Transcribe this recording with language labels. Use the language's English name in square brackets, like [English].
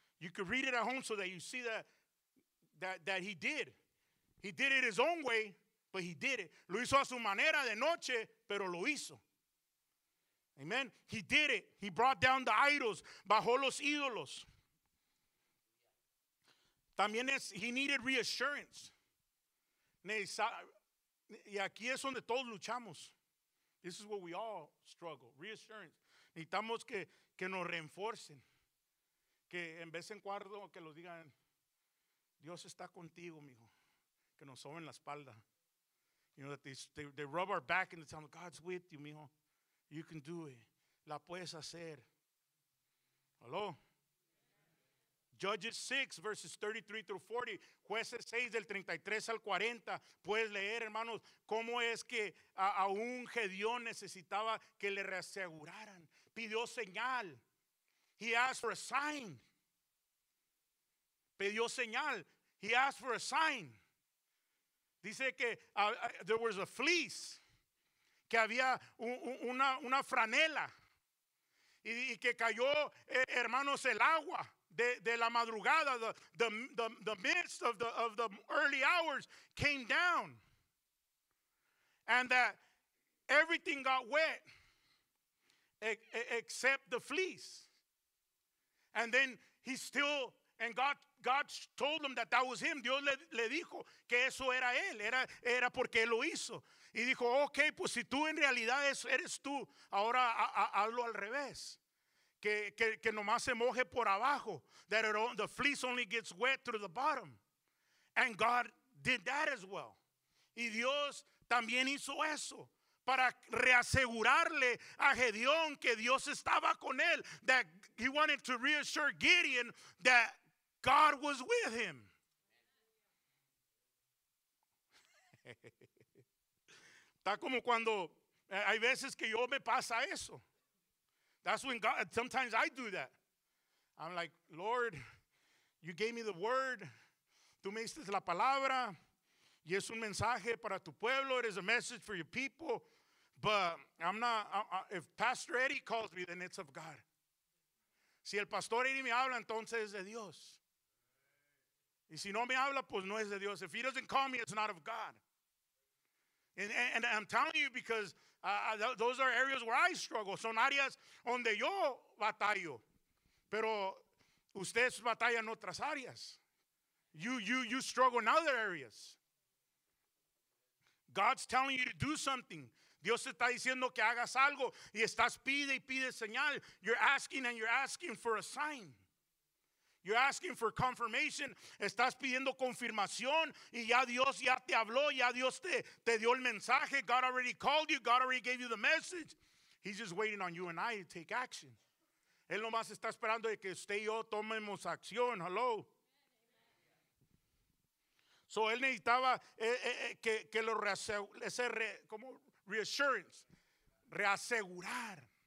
[English] You could read it at home so that you see that he did. He did it his own way, but he did it. [Spanish] Lo hizo a su manera de noche, pero lo hizo. [English] Amen. He did it. He brought down the idols. [Spanish] Bajó los ídolos. También es, [English] he needed reassurance. [Spanish] Y aquí es donde todos luchamos. [English] This is where we all struggle. Reassurance. [Spanish] Necesitamos que nos reenforcen. Que en vez en cuando que los digan, Dios está contigo, mijo. Que nos soben la espalda. [English] You know, that they rub our back and they tell them, God's with you, mijo. You can do it. [Spanish] La puedes hacer. [English] Hello? Judges 6, verses 33 through 40. [Spanish] Jueces 6, del 33 al 40. Puedes leer, hermanos, cómo es que aún Gedeón necesitaba que le reaseguraran. Pidió señal. [English] He asked for a sign. Pidió señal. He asked for a sign. [Spanish] Dice que [English] there was a fleece. [Spanish] Que había una franela. Y que cayó, hermanos, el agua de la madrugada. [English] The midst of the early hours came down. And that everything got wet except the fleece. And then he still, and God told him that that was him. [Spanish] Dios le dijo que eso era él. Era porque él lo hizo. Y dijo, okay, pues si tú en realidad eres tú, ahora hazlo al revés. Que nomás se moje por abajo. [English] That the fleece only gets wet through the bottom. And God did that as well. [Spanish] Y Dios también hizo eso. Para reasegurarle a Gedeón que Dios estaba con él. [English] That he wanted to reassure Gideon that God was with him. [Spanish] Está como cuando hay veces que yo me pasa eso. [English] That's when God, sometimes I do that. I'm like, Lord, you gave me the word. [Spanish] Tú me diste la palabra. Y es un mensaje para tu pueblo. [English] It is a message for your people. But I'm not, if Pastor Eddie calls me, then it's of God. [Spanish] Si el Pastor Eddie me habla, entonces es de Dios. Y si no me habla, pues no es de Dios. [English] If he doesn't call me, it's not of God. And I'm telling you because those are areas where I struggle. [Spanish] Son áreas donde yo batallo. Pero ustedes batallan otras áreas. [English] You struggle in other areas. God's telling you to do something. [Spanish] Dios está diciendo que hagas algo. Y estás pide y pide señal. [English] You're asking and you're asking for a sign. You're asking for confirmation. [Spanish] Estás pidiendo confirmación. Y ya Dios ya te habló. Ya Dios te dio el mensaje. [English] God already called you. God already gave you the message. He's just waiting on you and I to take action. [Spanish] Él nomás está esperando de que usted y yo tomemos acción. Hello. So él necesitaba que lo reasegure. Como reassurance. Reasegurar.